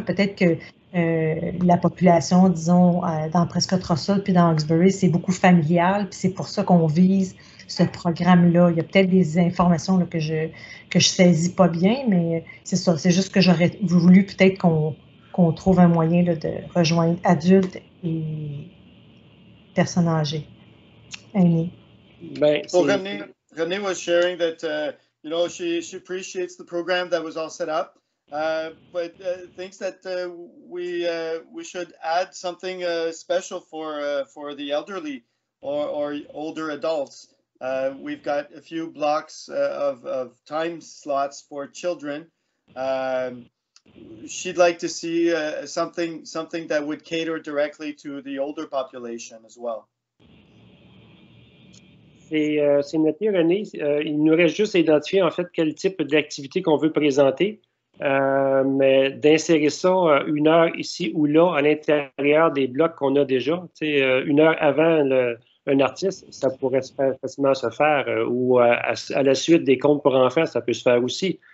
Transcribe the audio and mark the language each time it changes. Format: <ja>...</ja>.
<fr>Peut-être que la population, disons, dans Prescott-Russell puis dans Hawkesbury, c'est beaucoup familial puis c'est pour ça qu'on vise ce programme-là. Il y a peut-être des informations là, que je saisis pas bien, mais c'est ça. C'est juste que j'aurais voulu peut-être qu'on trouve un moyen là, de rejoindre adultes et personnes âgées. Aînées.</fr> <en>Well, René was sharing that, you know, she appreciates the program that was all set up, but thinks that we should add something special for the elderly or older adults. We've got a few blocks of time slots for children. She'd like to see something that would cater directly to the older population as well.</en> <fr>C'est noté, René. Il nous reste juste à identifier en fait quel type d'activité qu'on veut présenter, mais d'insérer ça une heure ici ou là à l'intérieur des blocs qu'on a déjà, tu sais, une heure avant un artiste, ça pourrait facilement se faire, ou à la suite des comptes pour enfants, ça peut se faire aussi.</fr>